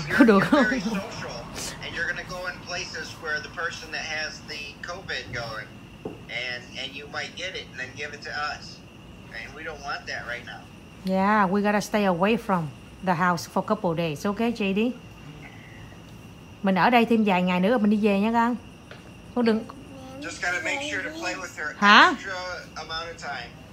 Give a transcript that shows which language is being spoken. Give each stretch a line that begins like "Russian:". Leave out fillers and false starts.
English: You're very social, and you're gonna go in places where the person that has the COVID going, and you might get it and then give it to us. And we don't want that right now. Yeah, we gotta stay away from the house for a couple of days, okay, JD?
Vietnamese: Mình ở đây thêm vài ngày nữa mình đi về nha con. Con đừng.
English: Just gotta make sure to play with her extra amount of time.